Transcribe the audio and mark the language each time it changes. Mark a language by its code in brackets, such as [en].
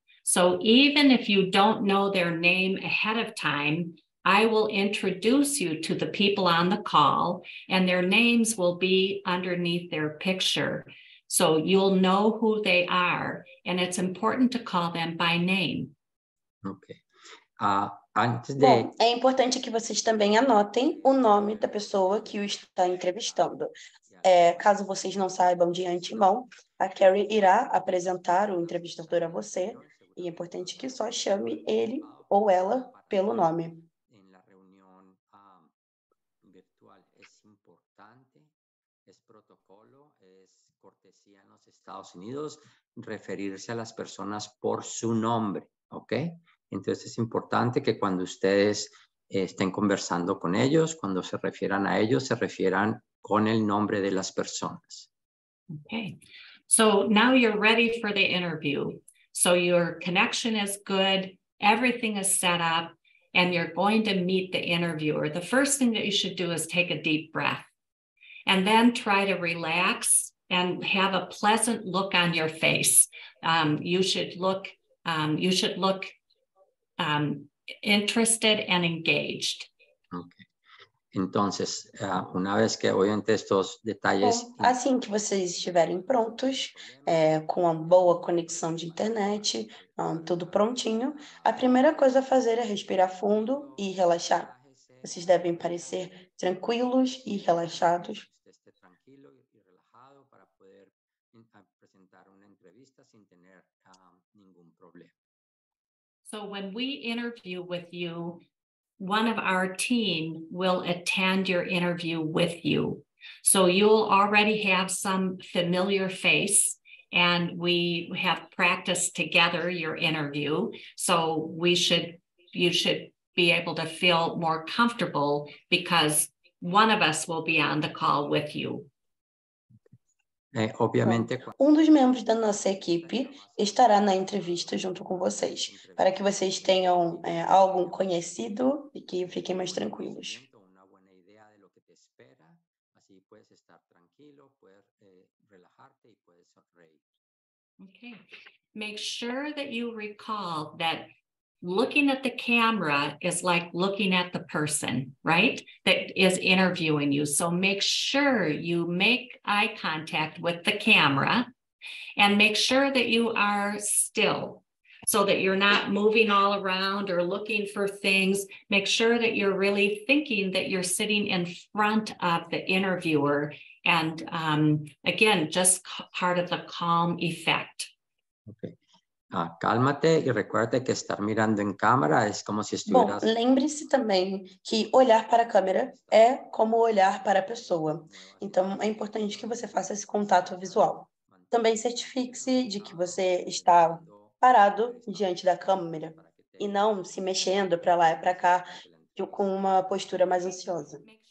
[en] So even if you don't know their name ahead of time, I will introduce you to the people on the call, and their names will be underneath their picture. So you'll know who they are, and it's important to call them by name. [pt] Okay. Antes de... Bom, é importante que vocês também anotem o nome da pessoa que o está entrevistando. Caso vocês não saibam de antemão, a Carrie irá apresentar o entrevistador a você, e é importante que só chame ele ou ela pelo nome. Na reunião virtual, é importante, é protocolo, é cortesia nos Estados Unidos, referir-se às pessoas por seu nome, ok? Então, é importante que quando vocês estejam conversando com eles, quando se refieram a eles, [es] se refieram con el nombre de las personas. [en] Okay. So now you're ready for the interview. So your connection is good, everything is set up, and you're going to meet the interviewer. The first thing that you should do is take a deep breath and then try to relax and have a pleasant look on your face. You should look interested and engaged. [es] Okay. Entonces, una vez que oyen estos detalles... [pt] Bom, assim que vocês estiverem prontos, com uma boa conexão de internet, tudo prontinho, a primeira coisa a fazer é respirar fundo e relaxar. Vocês devem parecer tranquilos e relaxados. Tranquilo e relaxado para poder apresentar uma entrevista sem ter nenhum problema. [en] So when we interview with you, one of our team will attend your interview with you. So you'll already have some familiar face, and we have practiced together your interview. So you should be able to feel more comfortable because one of us will be on the call with you. [pt] Obviamente. Dos membros da nossa equipe estará na entrevista junto com vocês, para que vocês tenham algo conhecido e que fiquem mais tranquilos. Uma boa ideia do que te espera, assim [es] puedes estar tranquilo, poder relajarte [pt] e poder sorrir. [en] Okay. Make sure that you recall that looking at the camera is like looking at the person, right, that is interviewing you. So make sure you make eye contact with the camera, And make sure that you are still so that you're not moving all around or looking for things. Make sure that you're really thinking that you're sitting in front of the interviewer. And again, just part of the calm effect. Okay. [es] Cálmate y recuerda que estar mirando en cámara es como si estuvieras... [pt] Bom, lembre-se também que olhar para a câmera é como olhar para a pessoa. Então, é importante que você faça esse contato visual. Também certifique-se de que você está parado diante da câmera e não se mexendo para lá e para cá com uma postura mais ansiosa.